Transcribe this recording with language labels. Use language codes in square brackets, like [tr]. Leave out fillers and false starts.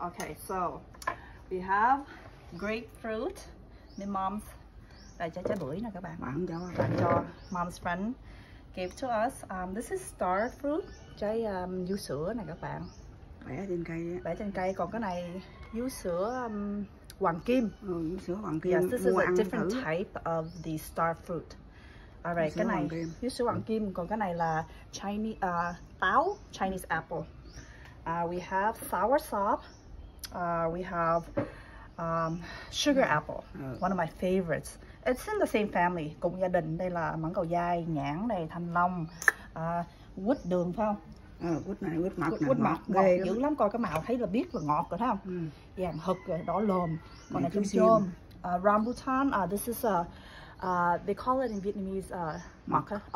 [en] Okay, so we have grapefruit. My mom's, [vi] đây trái trái bưởi nè các bạn. Bạn cho, bạn cho. [en] Mom's friend gave to us. This is star fruit, [vi] trái vú sữa nè các bạn. Bẻ trên cây. Bẻ trên cây. Còn cái này vú sữa hoàng kim. Vú sữa hoàng kim. [en] Yes, this is a different type of the star fruit. [vi] Alright, cái này vú sữa hoàng kim, còn cái này là Chinese táo, [en] Chinese apple. We have soursop. We have sugar apple. One of my favorites. It's in the same family, [vi] cùng gia đình. Đây là mắng cầu dai, nhãn này, thanh long, quýt đường phải không? Quýt này, quýt mật. Quýt mật ngọt dữ lắm, coi cái màu thấy là biết là ngọt rồi thấy không? Vàng hực rồi, đỏ lồm. Còn này chôm chôm. [en] Rambutan, this is a they call it in Vietnamese maca.